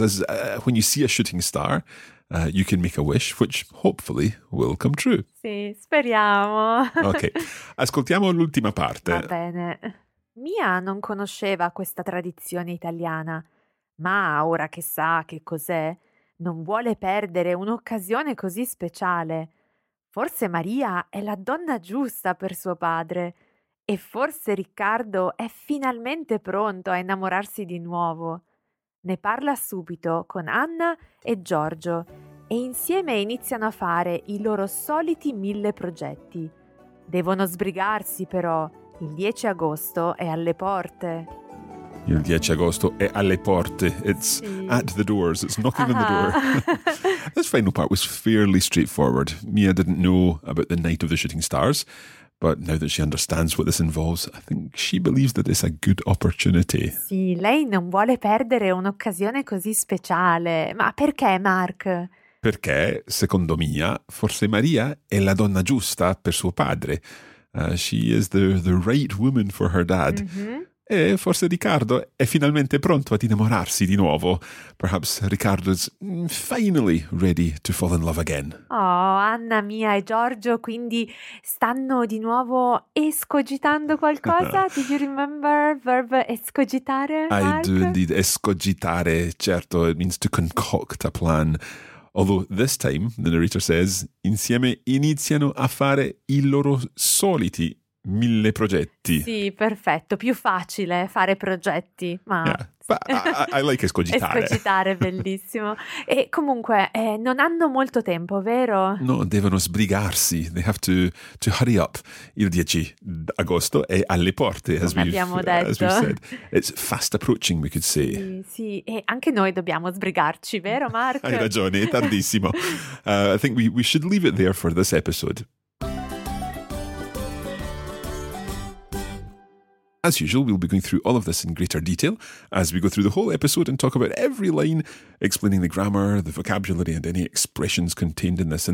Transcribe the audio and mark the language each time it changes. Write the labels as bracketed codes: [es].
[en] As when you see a shooting star, you can make a wish, which hopefully will come true. [it] Sì, speriamo. Okay, ascoltiamo l'ultima parte. Va bene. Mia non conosceva questa tradizione italiana, ma ora che sa che cos'è, non vuole perdere un'occasione così speciale. Forse Maria è la donna giusta per suo padre. E forse Riccardo è finalmente pronto a innamorarsi di nuovo. Ne parla subito con Anna e Giorgio e insieme iniziano a fare i loro soliti 1000 progetti. Devono sbrigarsi però, il 10 agosto è alle porte. Il 10 agosto è alle porte. It's sì. [en] At the doors. It's knocking on the door. This final part was fairly straightforward. Mia didn't know about the night of the shooting stars, but now that she understands what this involves, I think she believes that it's a good opportunity. [it] Sì, lei non vuole perdere un'occasione così speciale. Ma perché, Mark? Perché, secondo Mia, forse Maria è la donna giusta per suo padre. [en] She is the right woman for her dad. Mm-hmm. [it] E forse Ricardo è finalmente pronto ad innamorarsi di nuovo. [en] Perhaps Ricardo is finally ready to fall in love again. [it] Oh, Anna mia e Giorgio, quindi stanno di nuovo escogitando qualcosa? [en] Did you remember verb escogitare, Mark? I do indeed. Escogitare, certo, it means to concoct a plan. Although this time, the narrator says, [it] insieme iniziano a fare i loro soliti mille progetti. Sì, perfetto. Più facile fare progetti, ma... [en] Yeah. I like escogitare. [it] Escogitare, bellissimo. E comunque, non hanno molto tempo, vero? No, devono sbrigarsi. [en] They have to hurry up. [it] Il 10 agosto è alle porte, as come abbiamo detto. [en] As we've said. It's fast approaching, we could say. [it] Sì, sì, e anche noi dobbiamo sbrigarci, vero Mark? Hai ragione, è tardissimo. [en] I think we should leave it there for this episode. As usual, we'll be going through all of this in greater detail as we go through the whole episode and talk about every line, explaining the grammar, the vocabulary, and any expressions contained in this.